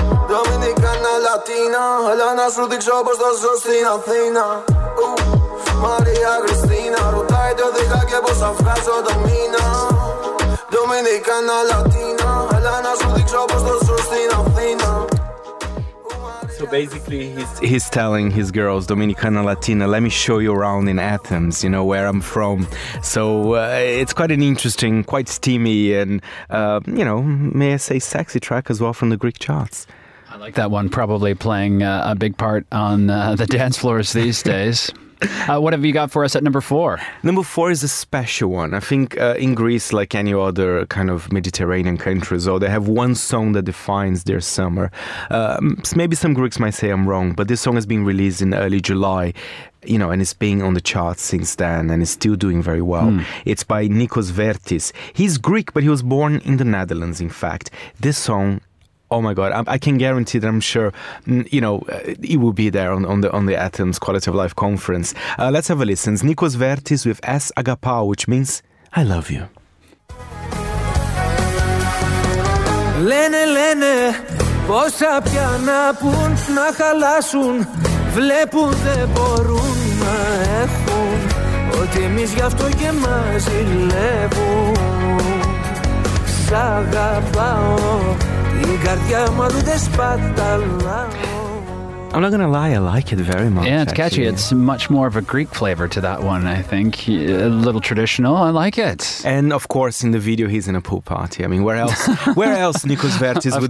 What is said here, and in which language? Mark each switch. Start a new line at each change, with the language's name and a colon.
Greek: Dominicana Latina, έλα να σου δείξω πως θα ζω στην Αθήνα. Μαρία Κριστίνα, ρωτάει το δικά και πως θα βγάζω το μήνα. Dominicana Latina, έλα να σου δείξω πως θα ζω στην Αθήνα.
English: So basically, he's telling his girls, Dominicana Latina, let me show you around in Athens, you know, where I'm from. So it's quite an interesting, quite steamy and, you know, may I say sexy track as well from the Greek charts. I like that one, probably playing a big part on the dance floors these days. What have you got for us at number four? Number four is a special one. I think in Greece, like any other kind of Mediterranean country, so they have one song that defines their summer. Maybe some Greeks might say I'm wrong, but this song has been released in early July, you know, and it's been on the charts since then and it's still doing very well. It's by Nikos Vertis. He's Greek, but he was born in the Netherlands, in fact. This song, oh my God, I can guarantee that I'm sure, you know, it will be there on the Athens Quality of Life Conference. Let's have a listen. Nikos Vertis with S. Agapao, which means I love you.
Greek: Λένε, λένε, πόσα πια να πουν, να χαλάσουν. Βλέπουν, δεν μπορούν να έχουν. Ότι εμείς γι' αυτό και μας ζηλεύουν. Σ' αγαπάω.
English: I'm not gonna lie, I like it very much. Yeah, it's actually catchy. It's much more of a Greek flavor to that one, I think. A little traditional, I like it. And of course, in the video, he's in a pool party. I mean, where else Nikos Vertis would